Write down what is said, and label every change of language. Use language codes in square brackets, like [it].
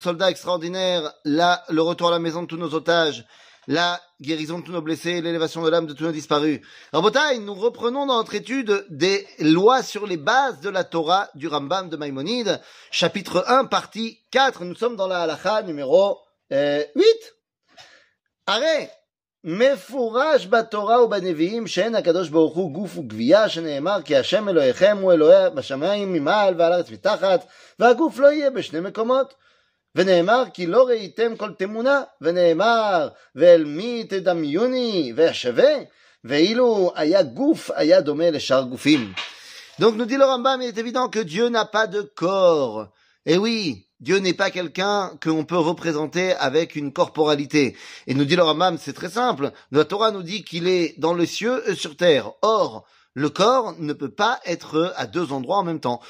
[fr] soldat extraordinaire, là, le retour à la maison de tous nos otages, là, guérison de tous nos blessés, l'élévation de l'âme de tous nos disparus. Rabotai, nous reprenons dans notre étude des lois sur les bases de la Torah du Rambam de Maïmonide, chapitre 1, partie 4. Nous sommes dans la halakha numéro 8. Arrêt. [he] מפורש בתורה ובנביאים שאין הקדוש ברוך הוא גוף וגבייה שנאמר כי השם אלוהיכם הוא אלוהי בשמיים ממעל ועל ארץ מתחת והגוף לא יהיה בשני מקומות ונאמר כי לא ראיתם כל תמונה ונאמר ואל מי תדמיוני וישווה ואילו היה גוף היה דומה לשאר גופים. [fr] Donc nous dit le Rambam, il est évident que Dieu n'a pas de corps. Eh oui, Dieu n'est pas quelqu'un que l'on peut représenter avec une corporalité. Et nous dit le Rambam, c'est très simple. La Torah nous dit qu'il est dans les cieux et sur terre. Or, le corps ne peut pas être à deux endroits en même temps.